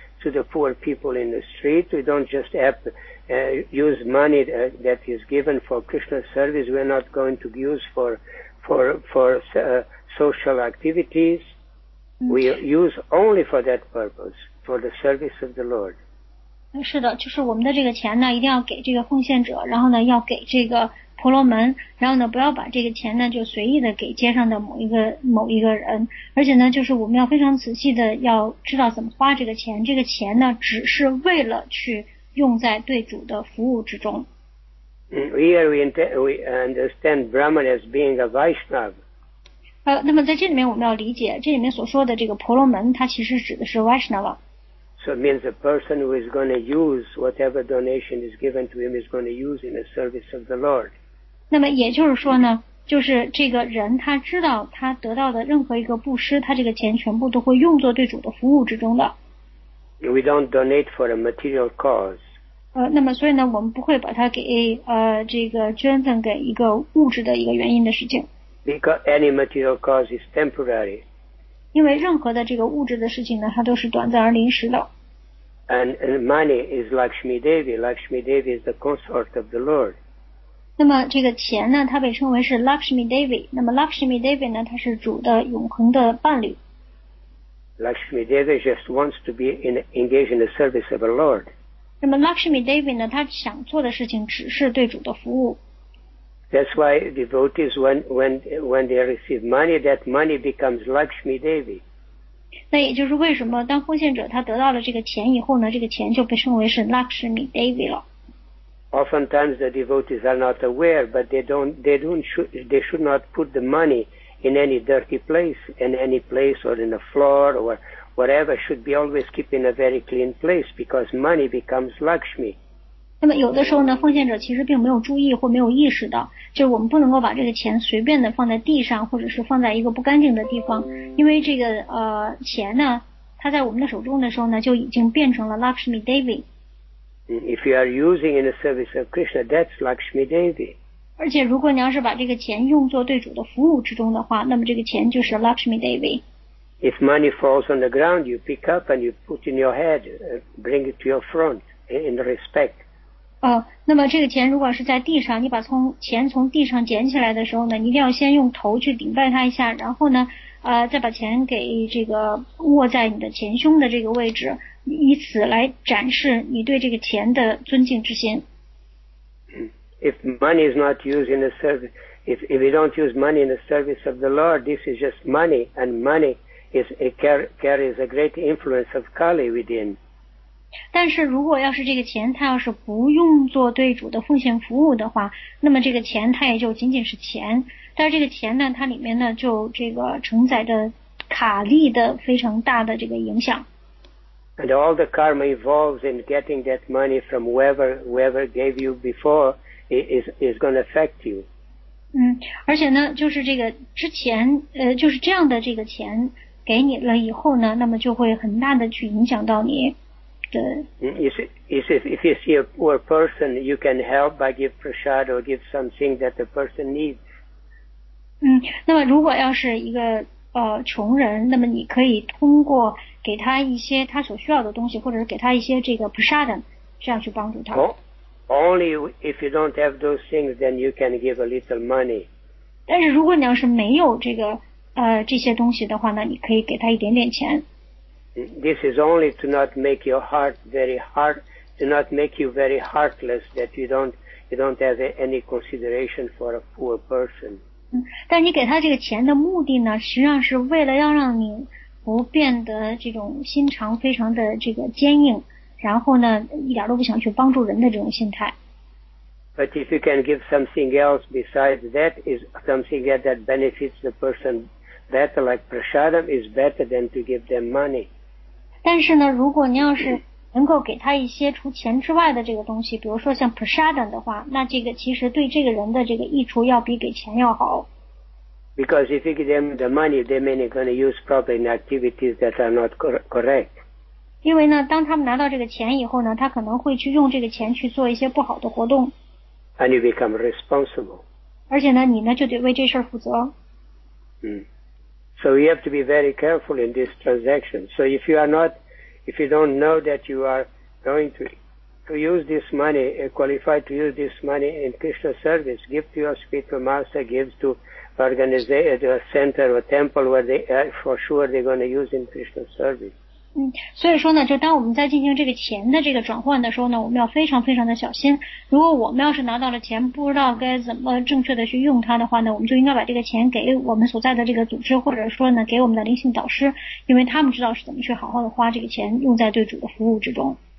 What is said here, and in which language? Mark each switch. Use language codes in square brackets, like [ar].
[en] to the poor people in the street. We don't just have use money that is given for Krishna service. We're not going to use for social activities. We use only for that purpose, for the service of the Lord. [zh] 是的，就是我们的这个钱呢，一定要给这个奉献者，然后呢，要给这个婆罗门，然后呢，不要把这个钱呢就随意的给街上的某一个人，而且呢，就是我们要非常仔细的要知道怎么花这个钱，这个钱呢，只是为了去用在对主的服务之中。 [en] Here we understand Brahman as being a Vaishnava. [zh] 那么在这里面我们要理解，这里面所说的这个婆罗门，它其实指的是 Vaishnava。 [en] So it means a person who is going to use whatever donation is given to him is going to use in the service of the Lord. [zh] 那么也就是说呢，就是这个人他知道他得到的任何一个布施，他这个钱全部都会用作对主的服务之中的。 [en] We don't donate for a material cause. [zh] 那么所以呢，我们不会把它给这个捐赠给一个物质的一个原因的事情。 [en] Because any material cause is temporary. [zh] 因为任何的这个物质的事情呢，它都是短暂而临时的。 [en] And money is Lakshmi Devi. Lakshmi Devi is the consort of the Lord. [zh] 那么这个钱呢，它被称为是 Lakshmi Devi. 那么 Lakshmi Devi 呢，它是主的永恒的伴侣。 [en] Lakshmi Devi just wants to be engaged in the service of the Lord. [zh] 那么 Lakshmi Devi 呢，他想做的事情只是对主的服务。 [en] That's why devotees, when they receive money, that money becomes Lakshmi Devi. [zh] 那也就是为什么当奉献者他得到了这个钱以后呢，这个钱就被称为是 Lakshmi Devi 了。 [en] Oftentimes the devotees are not aware, but they should not put the money in any dirty place, in any place or in the floor or whatever. Should be always keep in a very clean place because money becomes Lakshmi. [zh] 那么有的时候呢，奉献者其实并没有注意或没有意识到，就是我们不能够把这个钱随便的放在地上，或者是放在一个不干净的地方，因为这个钱呢，它在我们的手中的时候呢，就已经变成了 Lakshmi Devi。 [en] If you are using in the service of Krishna, that's Lakshmi Devi。 [zh] 而且如果你要是把这个钱用作对主的服务之中的话，那么这个钱就是 Lakshmi Devi。 [en] If money falls on the ground, you pick up and you put in your head, bring it to your front in respect. [zh] 那么这个钱如果是在地上，你把钱从地上捡起来的时候呢，你一定要先用头去顶拜它一下，然后呢，再把钱给这个握在你的前胸的这个位置，以此来展示你对这个钱的尊敬之心。 [en] If money is not used in the service, if we don't use money in the service of the Lord, this is just money, and money is carries a great influence of Kali within. [zh] 但是如果要是这个钱它要是不用做对主的奉献服务的话，那么这个钱它也就仅仅是钱，但是这个钱呢，它里面呢就这个承载着卡利的非常大的这个影响。 [en] And all the karma involves in getting that money from whoever gave you before is going to affect you. [zh] 而且呢，就是这个之前就是这样的这个钱给你了以后呢，那么就会很大的去影响到你。 [en] If you see a poor person, you can help by give prasad or give something that the person needs. [zh] 那么如果要是一个穷人，那么你可以通过给他一些他所需要的东西，或者是给他一些这个 prasad， 这样去帮助他。 [en] Only if you don't have those things, then you can give a little money. [zh] 但是如果你要是没有这个这些东西的话呢，你可以给他一点点钱。 [en] This is only to not make your heart very hard, to not make you very heartless, that you don't have any consideration for a poor person. [zh] 但你给他这个钱的目的呢，实际上是为了要让你不变得这种心肠非常的这个坚硬，然后呢，一点都不想去帮助人的这种心态。 [en] But if you can give something else besides that, is something that benefits the person. Better like prasadam is better than to give them money. [zh] 但是呢，如果你要是能够给他一些除钱之外的这个东西，比如说像 prasadam 的话，那这个其实对这个人的这个益处要比给钱要好。 [en] Because if you give them the money, they may not going to use probably in activities that are not correct. [zh] 因为呢，当他们拿到这个钱以后呢，他可能会去用这个钱去做一些不好的活动。 [en] And you become responsible. [zh] 而且呢，你呢就得为这事负责。 [en] So you have to be very careful in this transaction. So if you are not, If you don't know that you are going to use this money, qualified to use this money in Krishna service, give to your spiritual master, gives to organization, the center or temple where they are for sure they're going to use in Krishna service. [zh] 所以说呢，就当我们在进行这个钱的这个转换的时候呢，我们要非常非常的小心。如果我们要是拿到了钱，不知道该怎么正确的去用它的话呢，我们就应该把这个钱给我们所在的这个组织，或者说呢，给我们的灵性导师，因为他们知道是怎么去好好的花这个钱，用在对主的服务之中。